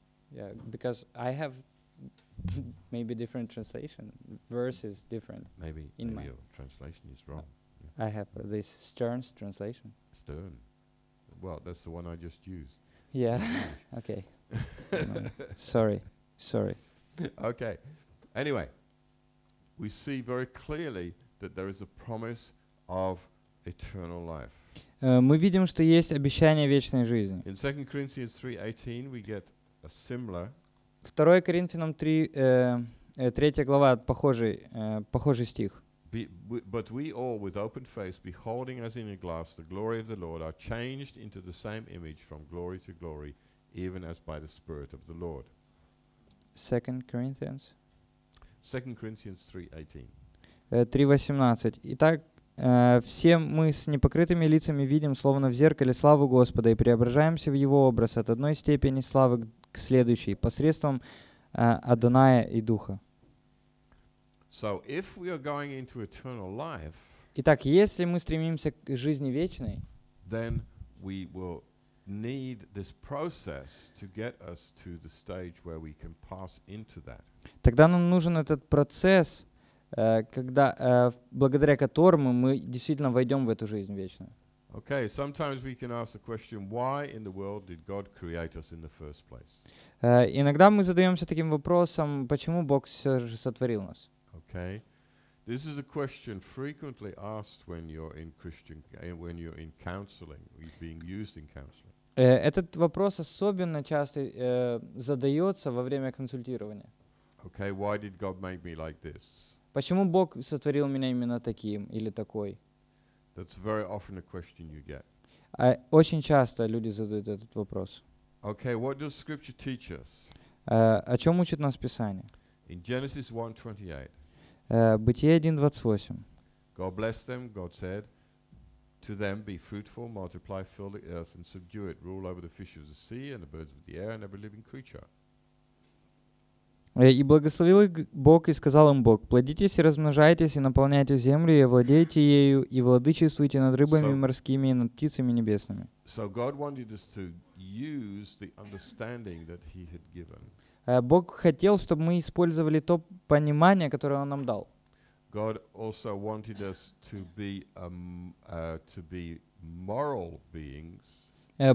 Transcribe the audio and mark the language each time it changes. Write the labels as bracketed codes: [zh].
[en] Yeah, because I have maybe different translation. Verse is different. Maybe your translation is wrong. Yeah. I have this Stern's translation. Stern. Well, that's the one I just used. Yeah. Okay. Sorry. Sorry. Okay. Anyway, we see very clearly that there is a promise of eternal life. [ru] Мы видим, что есть обещание вечной жизни. [en] In 2 Corinthians 3:18 we get a similar. [ru] 2 Коринфянам 3 3 глава похожий стих. [en] But we all with open face beholding as in a glass the glory of the Lord are changed into the same image from glory to glory even as by the Spirit of the Lord. 2 Corinthians 3:18. 3:18. [ru] Итак, все мы с непокрытыми лицами видим, словно в зеркале, славу Господа и преображаемся в Его образ от одной степени славы к следующей посредством Адоная и Духа. [en] So if we are going into eternal life, [ru] итак, если мы стремимся к жизни вечной, [en] then we will need this process to get us to the stage where we can pass into that. [ru] Тогда нам нужен этот процесс, когда благодаря которому мы действительно войдем в эту жизнь вечную. [en] Okay, sometimes we can ask the question, why in the world did God create us in the first place? [ru] Иногда мы задаемся таким вопросом, почему Бог все же сотворил нас? [en] Okay, this is a question frequently asked when you're in Christian, when you're in counseling, being used in counseling. [ru] Этот вопрос особенно часто задается во время консультирования. [en] Okay, why did God make me like this? [ru] Почему Бог сотворил меня именно таким или такой? [en] That's very often a question you get. [ru] Очень часто люди задают этот вопрос. [en] Okay, what does Scripture teach us? [ru] О чем учит нас Писание? [en] In Genesis 1:28. [ru] Бытие 1:28. [en] God blessed them, God said. To them be fruitful, multiply, fill the earth and subdue it, rule over the fish of the sea and the birds of the air and every living creature. [ru] И благословил их Бог и сказал им Бог: плодитесь и размножайтесь и наполняйте землю и овладейте ею и владычествуйте над рыбами морскими и над птицами небесными. [en] So God wanted us to use the understanding that He had given. [ru] Бог хотел, чтобы мы использовали то понимание, которое Он нам дал. [en] God also wanted us to be moral beings.